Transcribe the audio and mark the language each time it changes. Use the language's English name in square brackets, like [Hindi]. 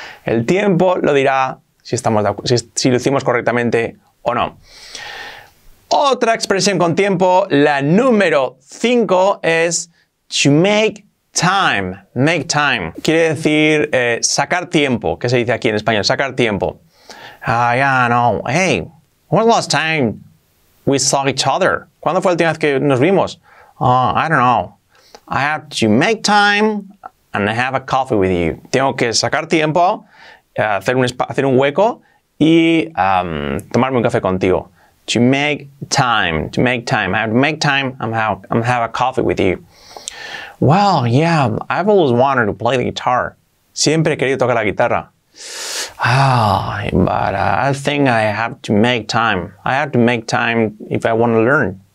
[Spanish] El tiempo lo dirá si lo hicimos correctamente o no. Otra expresión con tiempo, la número 5 es to make time, make time. Quiere decir sacar tiempo, ¿qué se dice aquí en español? Sacar tiempo. [English] Yeah, no, hey, when was the last time we saw each other? [Spanish] ¿Cuándo fue la última vez que nos vimos? [English] Oh, I don't know. I have to make time and have a coffee with you. [Spanish] Tengo que sacar tiempo, hacer un hueco y tomarme un café contigo. [English] To make time. I have to make time and have a coffee with you. Well, yeah, I've always wanted to play the guitar. [Spanish] Siempre he querido tocar la guitarra. [English] I think I have to make time. I have to make time if I want to learn.